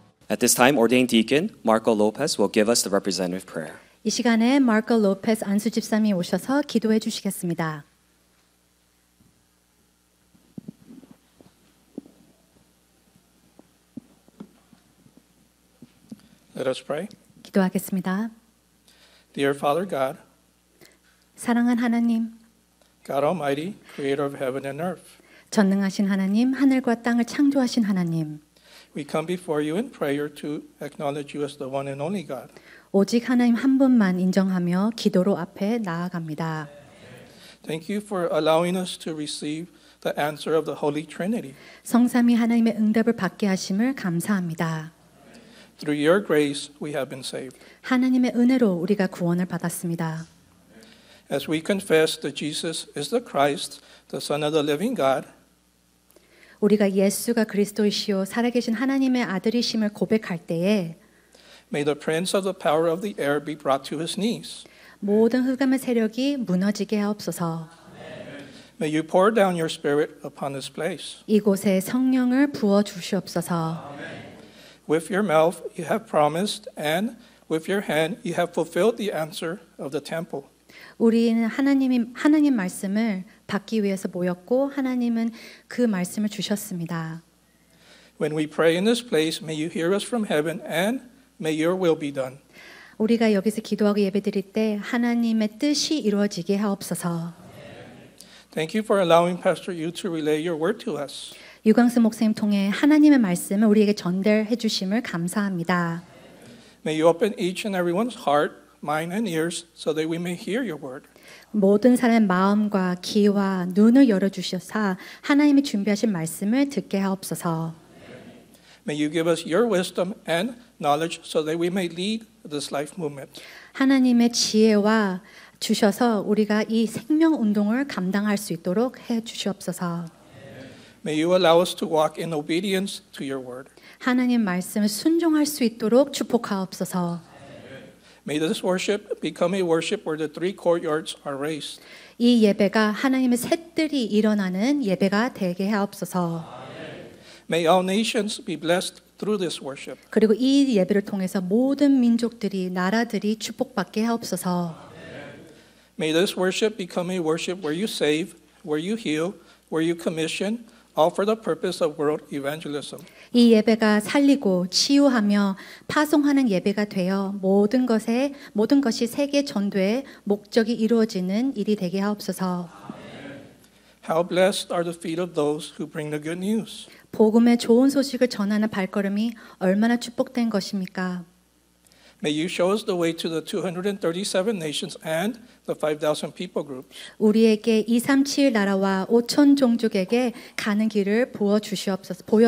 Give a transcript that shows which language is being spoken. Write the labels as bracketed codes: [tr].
[en] At this time, ordained deacon Marco Lopez will give us the representative prayer. [ko] 이 시간에 마르코 로페스 안수 집사님이 오셔서 기도해 주시겠습니다. [en] Let us pray. [ko] 기도하겠습니다. [en] Dear Father God, [ko] 사랑한 하나님, [en] God Almighty, Creator of heaven and earth, [ko] 전능하신 하나님, 하늘과 땅을 창조하신 하나님, [en] We come before you in prayer to acknowledge you as the one and only God. [ko] 오직 하나님 한 분만 인정하며 기도로 앞에 나아갑니다. [en] Thank you for allowing us to receive the answer of the Holy Trinity. [ko] 성삼위 하나님의 응답을 받게 하심을 감사합니다. [en] Through your grace, we have been saved. [ko] 하나님의 은혜로 우리가 구원을 받았습니다. [en] As we confess that Jesus is the Christ, the Son of the Living God. [ko] 우리가 예수가 그리스도이시요 살아계신 하나님의 아들이심을 고백할 때에 [en] May the prince of the power of the air be brought to his knees. [ko] 모든 흑암의 세력이 무너지게 하옵소서. [en] May you pour down your spirit upon this place. [ko] 이곳에 성령을 부어 주시옵소서. [en] With your mouth you have promised and with your hand you have fulfilled the answer of the temple. [ko] 우리는 하나님 말씀을 받기 위해서 모였고 하나님은 그 말씀을 주셨습니다. [en] When we pray in this place may you hear us from heaven and May your will be done. [ko] 우리가 여기서 기도하고 예배드릴 때 하나님의 뜻이 이루어지게 하옵소서. [en] Thank you for allowing Pastor Yu to relay your word to us. [ko] 유광수 목사님 통해 하나님의 말씀을 우리에게 전달해 주심을 감사합니다. [en] May you open each and everyone's heart, mind and ears so that we may hear your word. [ko] 모든 사람의 마음과 귀와 눈을 열어 주셔서 하나님이 준비하신 말씀을 듣게 하옵소서. [en] May you give us your wisdom and knowledge so that we may lead this life movement. [ko] 하나님의 지혜와 주셔서 우리가 이 생명 운동을 감당할 수 있도록 해 주시옵소서. [en] May you allow us to walk in obedience to your word. [ko] 하나님 말씀을 순종할 수 있도록 축복하옵소서. [en] May this worship become a worship where the three courtyards are raised. [ko] 이 예배가 하나님의 샛들이 일어나는 예배가 되게 하옵소서. [en] May all nations be blessed through this worship. [ko] 그리고 이 예배를 통해서 모든 민족들이 나라들이 축복받게 하옵소서. [en] May this worship become a worship where you save, where you heal, where you commission, all for the purpose of world evangelism. [ko] 이 예배가 살리고 치유하며 파송하는 예배가 되어 모든 것이 세계 전도의 목적이 이루어지는 일이 되게 하옵소서. [en] How blessed are the feet of those who bring the good news. [ko] 복음의 좋은 소식을 전하는 발걸음이 얼마나 축복된 것입니까? [en] May you show us the way to the 237 nations and the 5,000 people groups. [ko] 우리에게 237 나라와 5,000 종족에게 가는 길을 보여주시옵소서.